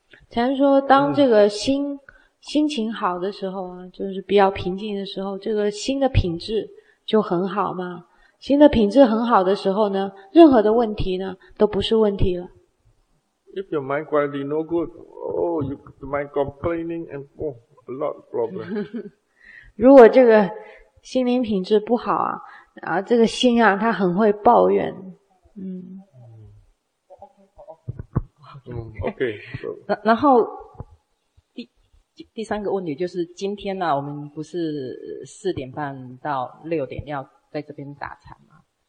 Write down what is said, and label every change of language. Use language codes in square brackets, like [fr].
[zh] 前面说当这个心情好的时候啊，就是比较平静的时候，这个心的品质就很好嘛。心的品质很好的时候呢，任何的问题呢都不是问题了。 [en] If your mind quality no good, you mind complaining and a lot of problems. [zh] 如果这个心灵品质不好啊，啊，这个心啊，它很会抱怨， [en] OK。 [zh] 然后第三个问题就是，今天呢、啊，我们不是4:30到6:00要在这边打禅吗？